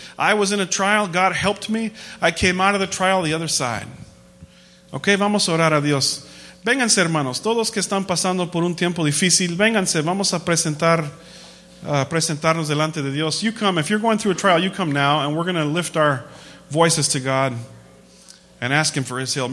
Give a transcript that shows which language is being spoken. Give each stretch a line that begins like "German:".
English: I was in a trial, God helped me. I came out of the trial the other side.
Spanish: Ok, vamos a orar a Dios. Vénganse, hermanos, todos que están pasando por un tiempo difícil, vénganse, vamos a presentarnos delante de Dios.
English: You come, if you're going through a trial, you come now, and we're going to lift our voices to God and ask Him for His help.